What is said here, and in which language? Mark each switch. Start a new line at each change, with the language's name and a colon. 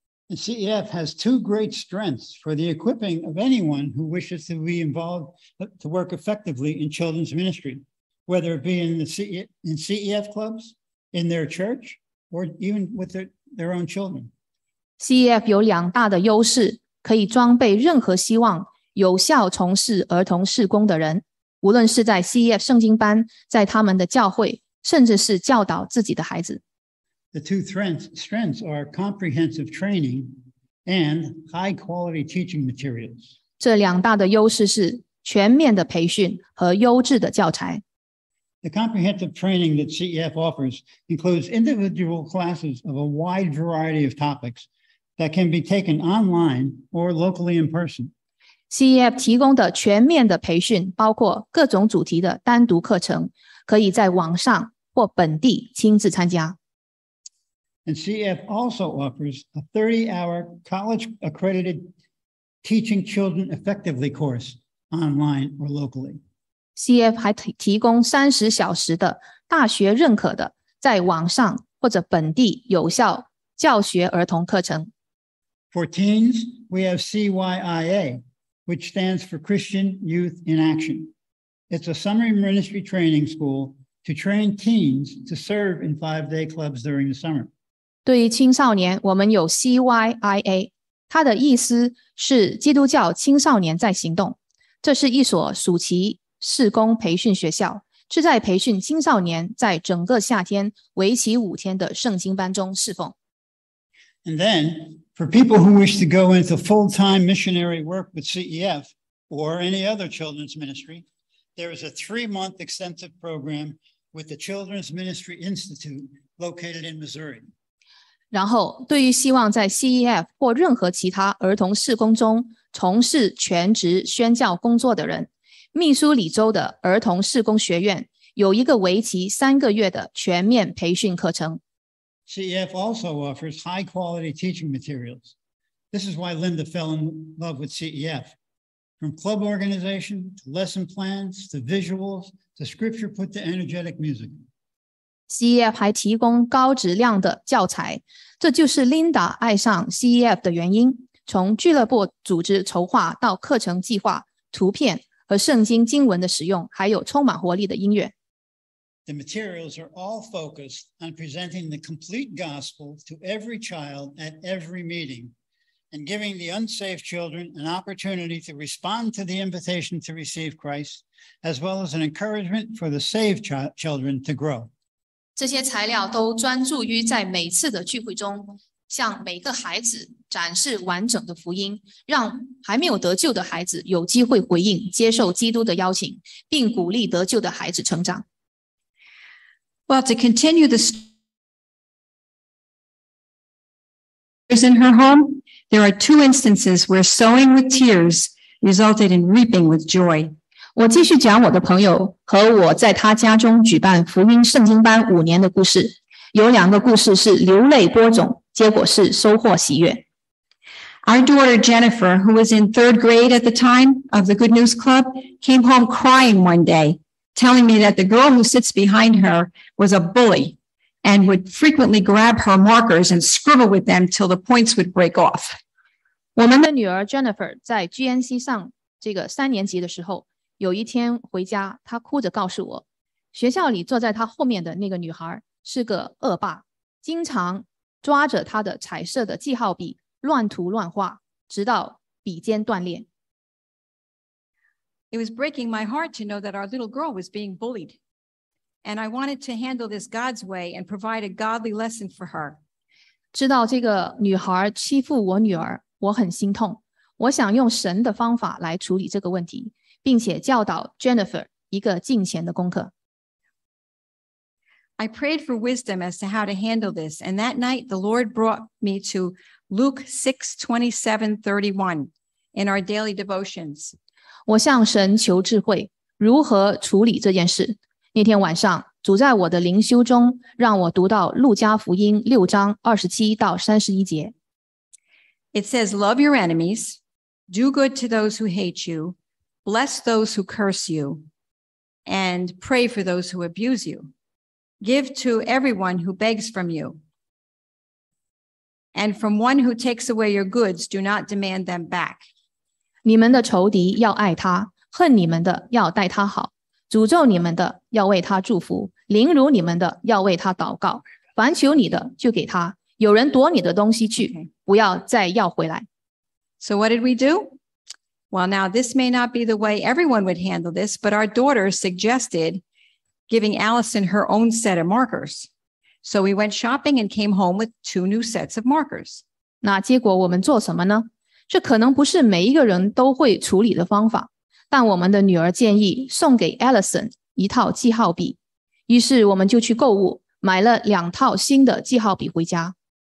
English: CEF has two great strengths for the equipping of anyone who wishes to be involved to work effectively in children's ministry, whether it be in CEF clubs, in their church, or even with their own children.
Chinese: CEF 有两大的优势，可以装备任何希望有效从事儿童事工的人。无论是在 CEF 圣经班，在他们的教会，甚至是教导自己的孩子。
English: The two strengths are comprehensive training and high quality teaching materials.
Chinese: 这两大的优势是全面的培训和优质的教材。
English: The comprehensive training that CEF offers includes individual classes of a wide variety of topics that can be taken online or locally in person.
Chinese: CEF 提供的全面的培训包括各种主题的单独课程，可以在网上或本地亲自参加。
English: And CF also offers a 30-hour college-accredited teaching children effectively course online or locally.
Chinese: CF 还提供30小时的大学认可的在网上或者本地有效教学儿童课程。
English: For teens, we have CYIA, which stands for Christian Youth in Action. It's a summer ministry training school to train teens to serve in five-day clubs during the summer.
Chinese: 对于青少年，我们有 CYIA， 它的意思是基督教青少年在行动。这是一所暑期事工培训学校，是在培训青少年在整个夏天为期五天的圣经班中侍奉。
English: And then, for people who wish to go into full-time missionary work with CEF or any other children's ministry, there is a three-month extensive program with the Children's Ministry Institute located in Missouri.
Chinese: 然后，对于希望在 CEF 或任何其他儿童事工中从事全职宣教工作的人，密苏里州的儿童事工学院有一个为期三个月的全面培训课程。
English: CEF also offers high-quality teaching materials. This is why Linda fell in love with CEF. From club organization, to lesson plans, to visuals, to scripture put to energetic music.
Chinese: CEF 还提供高质量的教材，这就是 Linda 爱上 CEF 的原因。从俱乐部组织筹划到课程计划、图片和圣经经文的使用，还有充满活力的音乐。
English: The materials are all focused on presenting the complete gospel to every child at every meeting and giving the unsaved children an opportunity to respond to the invitation to receive Christ, as well as an encouragement for the saved children to grow.
Chinese: 这些材料都专注于在每次的聚会中向每个孩子展示完整的福音，让还没有得救的孩子有机会回应接受基督的邀请，并鼓励得救的孩子成长。
English: Well, to continue the story in her home, there are two instances where sowing with tears resulted in reaping with joy.
Chinese: 我继续讲我的朋友和我在他家中举办福音圣经班五年的故事。有两个故事是流泪播种，结果是收获喜悦。
English: Our daughter Jennifer, who was in third grade at the time of the Good News Club, came home crying one day. Telling me that the girl who sits behind her was a bully and would frequently grab her markers and scribble with them till the points would break off.
Chinese: 我们的女儿 Jennifer 在 GNC 上这个三年级的时候，有一天回家，她哭着告诉我，学校里坐在她后面的那个女孩是个恶霸，经常抓着她的彩色的记号笔乱涂乱画，直到笔尖断裂。
English: It was breaking my heart to know that our little girl was being bullied. And I wanted to handle this God's way and provide a godly lesson for her.
Chinese: 知道这个女孩欺负我女儿，我很心痛。我想用神的方法来处理这个问题，并且教导 Jennifer 一个敬虔的功课。
English: I prayed for wisdom as to how to handle this, and that night the Lord brought me to Luke 6:27-31 in our daily devotions.
Chinese: 我向神求智慧，如何处理这件事。那天晚上，主在我的灵修中，让我读到路加福音六章二十七到三十一节。
English: It says, love your enemies, do good to those who hate you, bless those who curse you, and pray for those who abuse you. Give to everyone who begs from you. And from one who takes away your goods, do not demand them back.
Chinese: 你们的仇敌要爱他，恨你们的要待他好，诅咒你们的要为他祝福，凌辱你们的要为他祷告，凡求你的就给他，有人夺你的东西去，不要再要回来。
English: So what did we do? Well, now this may not be the way everyone would handle this, but our daughter suggested giving Allison her own set of markers. So we went shopping and came home with two new sets of markers.
Chinese: 那结果我们做什么呢？这可能不是每一个人都会处理的方法，但我们的女儿建议送给 Allison 一套记号笔，于是我们就去购物，买了两套新的记号笔回家。